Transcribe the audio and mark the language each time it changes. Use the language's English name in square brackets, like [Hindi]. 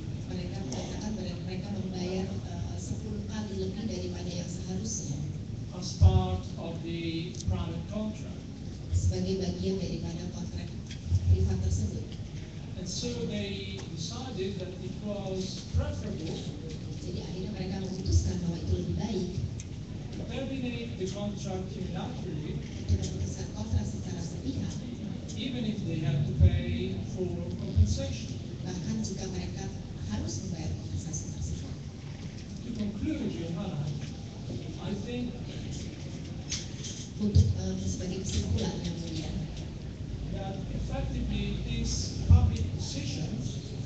[Indonesian] Mereka mengatakan mereka membayar 10 kali lebih daripada yang seharusnya. [English] As part of the private contract. [Indonesian] Sebagai bagian daripada kontrak privat tersebut. [English] And so they decided that it was preferable. [Indonesian] Jadi akhirnya mereka memutuskan bahwa itu lebih baik. [English] Terminate the contract unilaterally. [Indonesian] Memutuskan kontrak secara sepihak. [English] Even if they have to pay full compensation. [Indonesian] Bahkan jika mereka harus membayar kompensasi tersebut. [English] To conclude, Johanna, I think. [Indonesian] Untuk sebagai kesimpulan yang mulia. [English] That effectively these public decisions,